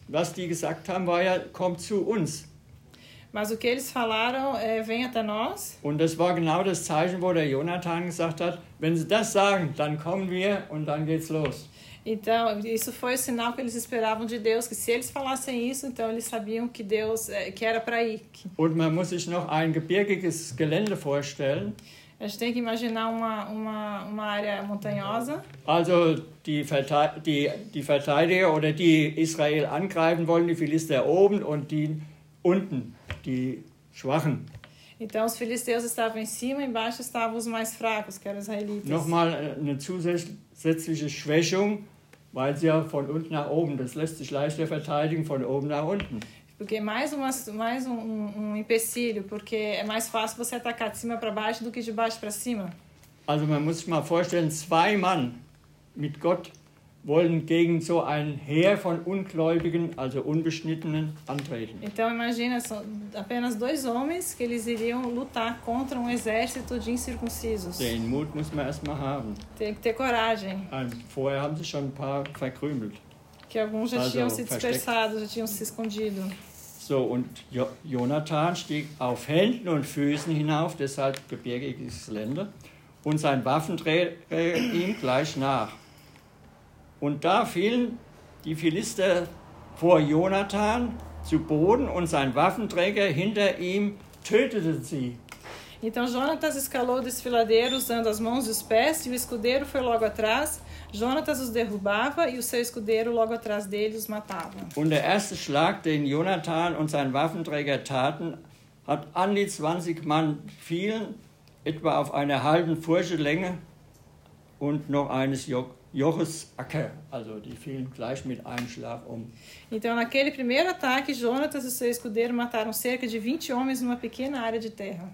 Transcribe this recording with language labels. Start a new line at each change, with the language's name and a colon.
German: Was die gesagt haben, war ja: Kommt zu uns.
Portuguese: Mas o que eles falaram é: Vem até nós.
German: Und das war genau das Zeichen, wo der Jonathan gesagt hat: Wenn sie das sagen, dann kommen wir und dann geht's los.
Portuguese: Então, isso foi o sinal que eles esperavam de Deus, que se eles falassem isso, então eles sabiam que Deus que era para ir.
German: Und man muss sich noch ein gebirgiges Gelände vorstellen.
Portuguese: A gente tem que imaginar uma área montanhosa.
German: Also die Verteidiger oder die Israel angreifen wollen, die Philister oben und die unten, die Schwachen.
Portuguese: Então os filisteus estavam em cima, embaixo estavam os mais fracos, que eram os israelitas.
German: Nochmal eine zusätzliche Schwächung, weil sie ja von unten nach oben, das lässt sich leichter verteidigen, von oben nach unten.
Portuguese: Porque mais um empecilho, porque é mais fácil você atacar de cima para baixo do que de baixo para cima.
German: Also man muss sich mal vorstellen, zwei Mann mit Gott wollen gegen so ein Heer von Ungläubigen, also Unbeschnittenen, antreten.
Portuguese: Então imagina, são apenas dois homens que eles iriam lutar contra um exército de incircuncisos.
German: Den Mut muss man erst mal haben.
Portuguese: Tem que ter coragem.
German: Vorher haben sie schon ein paar verkrümelt.
Portuguese: Que alguns já tinham se dispersado, já tinham se escondido.
German: So, und Jonathan stieg auf Händen und Füßen hinauf, deshalb gebirgiges Gelände, und sein Waffenträger ihm gleich nach. Und da fielen die Philister vor Jonathan zu Boden und sein Waffenträger hinter ihm tötete sie.
Portuguese: Então Jonathan escalou o desfiladeiro usando as mãos e os pés, e o escudeiro foi logo atrás. Jonathan os derrubava e o seu escudeiro logo atrás dele os matava.
German: Und der erste Schlag, den Jonathan und sein Waffenträger taten, hat an die 20 Mann fielen, etwa auf einer halben Furche Länge und noch eines Joches Acker. Also die fielen gleich mit einem Schlag um.
Portuguese: Então naquele primeiro ataque, Jonathan e seu escudeiro mataram cerca de 20 homens numa pequena área de terra.